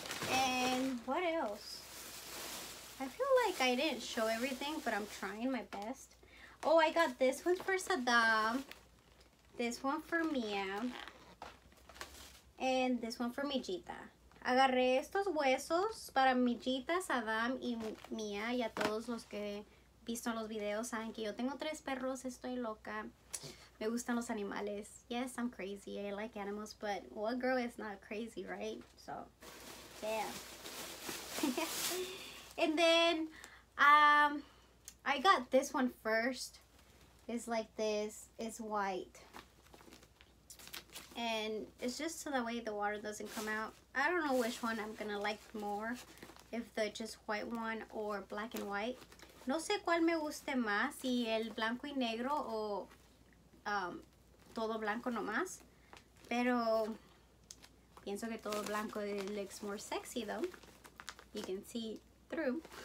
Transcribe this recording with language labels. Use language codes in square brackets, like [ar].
[en] And what else? I feel like I didn't show everything, but I'm trying my best. Oh, I got this one for Saddam, this one for Mia, and this one for Mijita. [es] Agarré estos huesos para Mijita, Saddam y Mia. Y a todos los que han visto los videos saben que yo tengo 3 perros. Estoy loca. Me gustan los animales. [en] Yes, I'm crazy. I like animals. But what girl is not crazy, right? So, yeah. And then, I got this one first. It's like this. It's white. And it's just so that way the water doesn't come out. I don't know which one I'm gonna like more, if the just white one or black and white. [es] No sé cuál me guste más, si el blanco y negro o todo blanco nomás. Pero Pienso que todo blanco [en] looks more sexy though. You can see through.